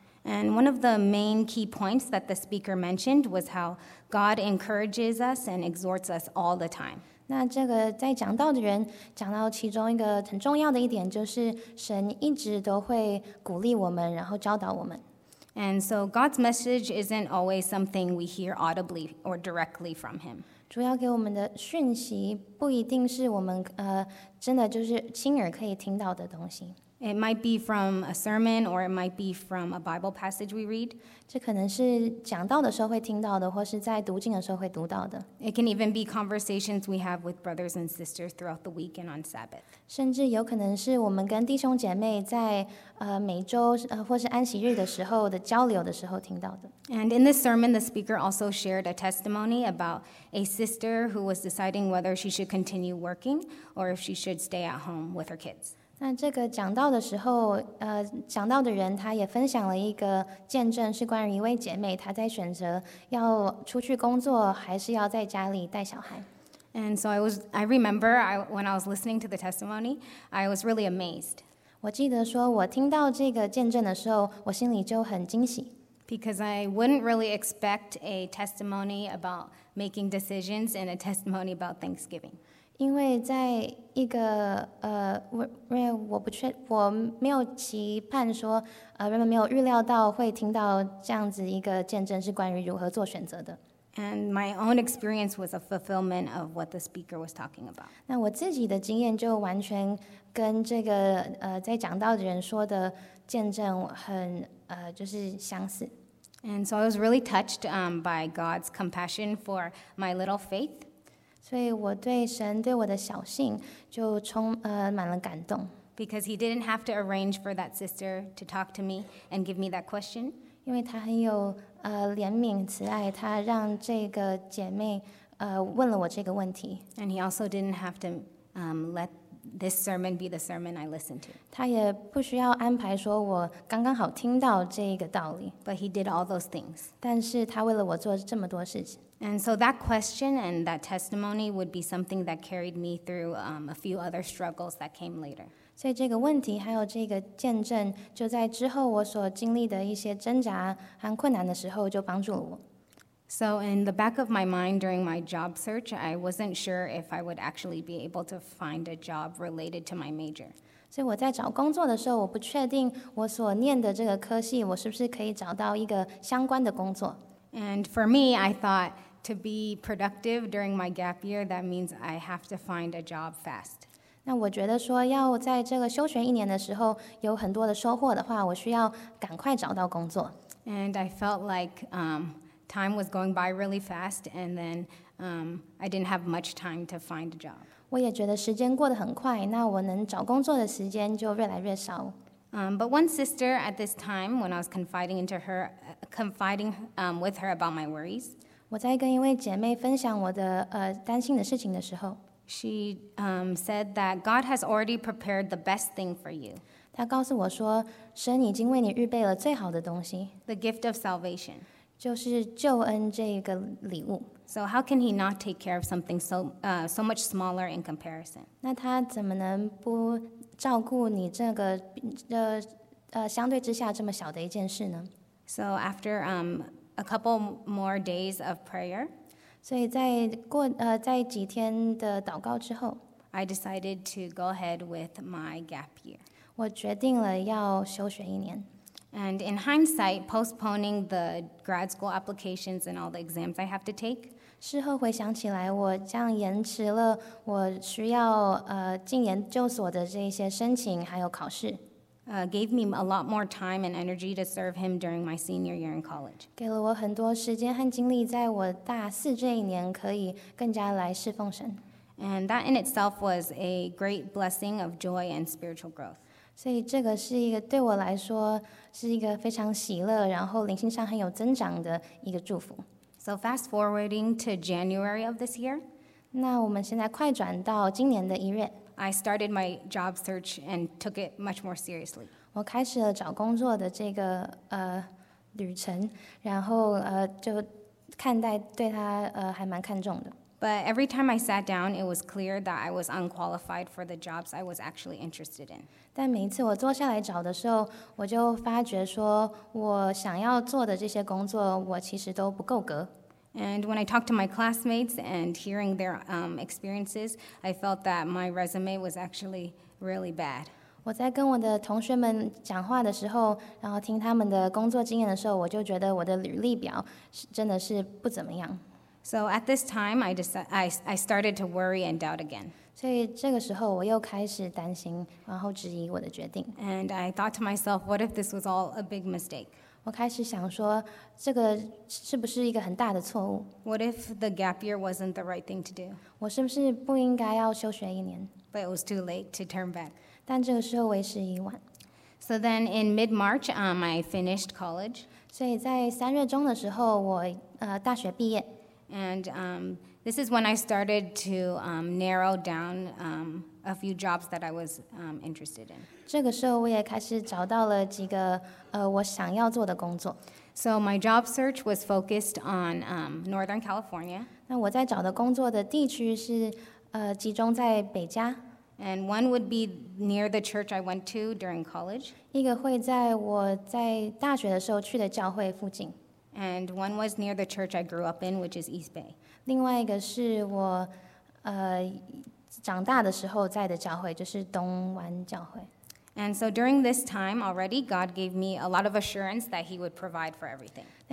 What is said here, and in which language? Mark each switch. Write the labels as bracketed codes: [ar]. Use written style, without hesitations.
[en] And one of the main key points that the speaker mentioned was how God encourages us and exhorts us all the time. [zh] 那这个在讲道的人讲到其中一个很重要的一点，就是神一直都会鼓励我们，然后教导我们。 [en] And so God's message isn't always something we hear audibly or directly from Him. [zh] 主要给我们的讯息不一定是我们真的就是亲耳可以听到的东西。 [en] It might be from a sermon or it might be from a Bible passage we read. [zh] 这可能是讲道的时候会听到的，或是在读经的时候会读到的。 [en] It can even be conversations we have with brothers and sisters throughout the week and on Sabbath. [zh] 甚至有可能是我们跟弟兄姐妹在每周或是安息日的时候的交流的时候听到的。 [en] And in this sermon, the speaker also shared a testimony about a sister who was deciding whether she should continue working or if she should stay at home with her kids. [zh] 那这个讲到的时候，讲到的人他也分享了一个见证，是关于一位姐妹，她在选择要出去工作，还是要在家里带小孩。 [en] And so when I was listening to the testimony, I was really amazed. [zh] 我记得说我听到这个见证的时候，我心里就很惊喜。 [en] Because I wouldn't really expect a testimony about making decisions and a testimony about Thanksgiving. [zh] 因为在一个我没有期盼说人们没有预料到会听到这样子一个见证是关于如何做选择的。 [en] And my own experience was a fulfillment of what the speaker was talking about. [zh] 那我自己的经验就完全跟这个在讲道的人说的见证很就是相似。 [en] And so I was really touched by God's compassion for my little faith. [zh] 所以我对神对我的小信就满了感动。 [en] Because he didn't have to arrange for that sister to talk to me and give me that question. [zh] 因为他很有怜悯慈爱，他让这个姐妹问了我这个问题。 [en] And he also didn't have to let this sermon be the sermon I listened to. [zh] 他也不需要安排说我刚刚好听到这个道理。 [en] But he did all those things. [zh] 但是他为了我做这么多事情。 [en] And so that question and that testimony would be something that carried me through a few other struggles that came later. [zh] 所以这个问题还有这个见证，就在之后我所经历的一些挣扎和困难的时候就帮助了我。 [en] So in the back of my mind during my job search, I wasn't sure if I would actually be able to find a job related to my major. [zh] 所以我在找工作的时候，我不确定我所念的这个科系，我是不是可以找到一个相关的工作。 [en] And for me, I thought to be productive during my gap year, that means I have to find a job fast. [zh] 那我觉得说要在这个休学一年的时候有很多的收获的话，我需要赶快找到工作。 [en] And I felt like time was going by really fast, and then I didn't have much time to find a job. [zh] 我也觉得时间过得很快，那我能找工作的时间就越来越少。 [en] But one sister at this time, when I was confiding with her about my worries, [zh] 我在跟一位姐妹分享我的担心的事情的时候， [en] she said that God has already prepared the best thing for you. [zh] 她告诉我说，神已经为你预备了最好的东西， [en] the gift of salvation, [zh] 就是救恩这个礼物。 [en] So how can he not take care of something so much smaller in comparison? [zh] 那他怎么能不照顾你这个相对之下这么小的一件事呢？ [en] So after a couple more days of prayer, [zh] 所以在几天的祷告之后， [en] I decided to go ahead with my gap year. [zh] 我决定了要休学一年。 [en] And in hindsight, postponing the grad school applications and all the exams I have to take. [zh] 事后回想起来，我这样延迟了我需要进研究所的这些申请还有考试。 [en] Gave me a lot more time and energy to serve him during my senior year in college. [zh] 给了我很多时间和精力，在我大四这一年可以更加来侍奉神。 [en] And that in itself was a great blessing of joy and spiritual growth. [zh] 所以这个是一个对我来说是一个非常喜乐，然后灵性上很有增长的一个祝福。 [en] So fast forwarding to January of this year, [zh] 那我们现在快转到今年的一月。 [en] I started my job search and took it much more seriously. [zh] 我开始了找工作的这个旅程，然后就看待对它还蛮看重的。 [en] But every time I sat down, it was clear that I was unqualified for the jobs I was actually interested in. [zh] 但每一次我坐下来找的时候，我就发觉说，我想要做的这些工作，我其实都不够格。 [en] And when I talked to my classmates and hearing their experiences, I felt that my resume was actually really bad. [zh] 我在跟我的同学们讲话的时候，然后听他们的工作经验的时候，我就觉得我的履历表真的是不怎么样。 [en] So at this time, I started to worry and doubt again. [zh] 所以这个时候, 我又开始担心, 然后质疑我的决定。 [en] And I thought to myself, what if this was all a big mistake? [zh] 我开始想说, 这个是不是一个很大的错误? [en] What if the gap year wasn't the right thing to do? [zh] 我是不是不应该要休学一年? [en] But it was too late to turn back. [zh] 但这个时候为时已晚。 [en] So then in mid-March, I finished college. [zh] 所以在三月中的时候, 我大学毕业。 [en] And this is when I started to narrow down a few jobs that I was interested in. [zh] 这个时候我也开始找到了几个, 我想要做的工作。 [en] So my job search was focused on Northern California. [zh] 那我在找的工作的地区是, 集中在北加。 [en] And one would be near the church I went to during college. [zh] 一个会在我在大学的时候去的教会附近。 [en] And one was near the church I grew up in, which is East Bay. [zh] 另外一个是我, 长大的时候在的教会,就是东湾教会。 [en] And so during this time already, God gave me a lot of assurance that he would provide for everything.